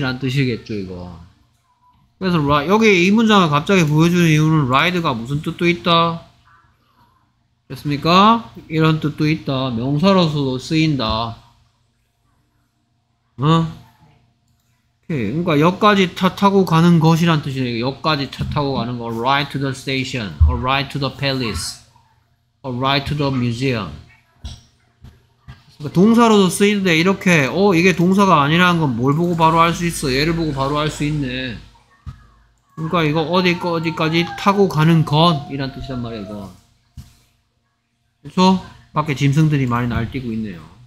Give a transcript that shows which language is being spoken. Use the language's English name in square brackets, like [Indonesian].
[Korean] 라는 뜻이겠죠, 이거. 그래서 여기 이 문장을 갑자기 보여주는 이유는 ride가 무슨 뜻도 있다. 됐습니까? 이런 뜻도 있다. 명사로서도 쓰인다. 오케이. 그러니까 여기까지 차 타고 가는 것이란 뜻이네. 여기까지 차 타고 가는 거. [English] A ride to the station, a ride to the palace, a ride to the museum. [Korean] 동사로도 쓰이는데 이렇게 이게 동사가 아니라는 건뭘 보고 바로 알수 있어? 얘를 보고 바로 알수 있네. 그러니까 이거 어디까지 타고 가는 건이란 뜻이란 말이야, 이거. 그래서 밖에 짐승들이 많이 날뛰고 있네요.